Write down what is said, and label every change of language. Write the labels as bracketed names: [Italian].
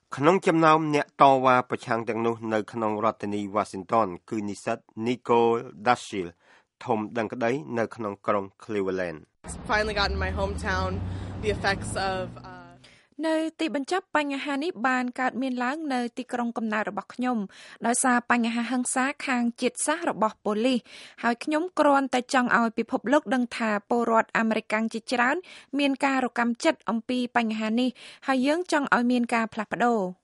[Khmer] ក្នុងចំណោមអ្នកតវ៉ាប្រឆាំងទាំងនោះនៅក្នុងរដ្ឋធានី Washington គឺនិស្សិត Nicole Dashiel. ធំដឹងក្តីនៅក្នុងក្រុង Cleveland [English] Finally got in my hometown the effects of [Khmer] នៅទីបញ្ចប់បញ្ហានេះបានកើតមានឡើងនៅទីក្រុងកំណើតរបស់ខ្ញុំដោយសារបញ្ហាហិង្សាខាងជាតិសាសន៍របស់ប៉ូលីសហើយខ្ញុំគ្រាន់តែចង់ឲ្យពិភពលោកដឹងថាពលរដ្ឋអាមេរិកជាច្រើនមានការរកំចិត្តអំពីបញ្ហានេះហើយយើងចង់ឲ្យមានការផ្លាស់ប្ដូរ